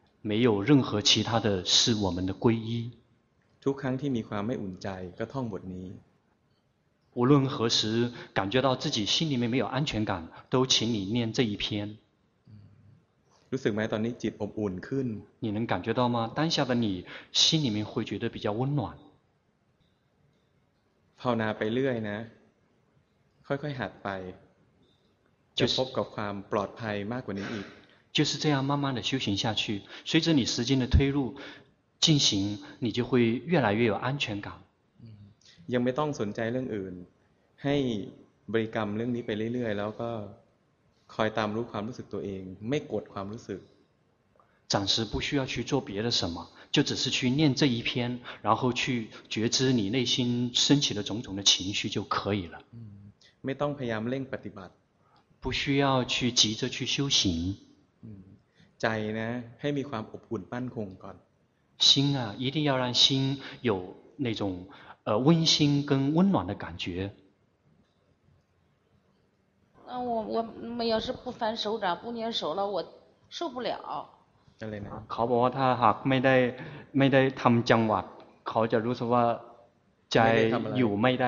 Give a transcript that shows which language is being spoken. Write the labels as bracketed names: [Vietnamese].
[Chinese] 没有任何其他的是我们的皈依 [Thai] ทุกครั้งที่มีความไม่อุ่นใจก็ท่องบทนี้ [Chinese] 无论何时感觉到自己心里面没有安全感都请你念这一篇 [Thai] รู้สึกไหมตอนนี้จิตอบอุ่นขึ้น [Chinese] 你能感觉到吗当下的你心里面会觉得比较温暖 [Thai] ภาวนาไปเรื่อยนะค่อยๆหัดไป就พบกับความปลอดภัยมากกว่านี้อีก [Chinese] 就是这样慢慢的修行下去随着你时间的推入进行你就会越来越有安全感 [Thai] ยังไม่ต้องสนใจเรื่องอื่นให้บริกรรมเรื่องนี้ไปเรื่อยๆแล้วก็คอยตามรู้ความรู้สึกตัวเองไม่กดความรู้สึก [Chinese] 暂时不需要去做别的什么就只是去念这一篇然后去觉知你内心升起的种种的情绪就可以了 [Thai] ไม่ต้องพยายามเร่งปฏิบัติ [Chinese] 不需要去急着去修行 [Thai] ใจนะให้มีความอบอุ่นมั่นคงก่อน [Chinese] 心啊一定要让心有那种温馨跟温暖的感觉我们要是不翻手掌不粘手了我受不了 เ [Thai] ขาบอกว่าถ้าหากไม่ได้ทำจังหวะเขาจะรู้สึกว่าใจอยู่ไม่ได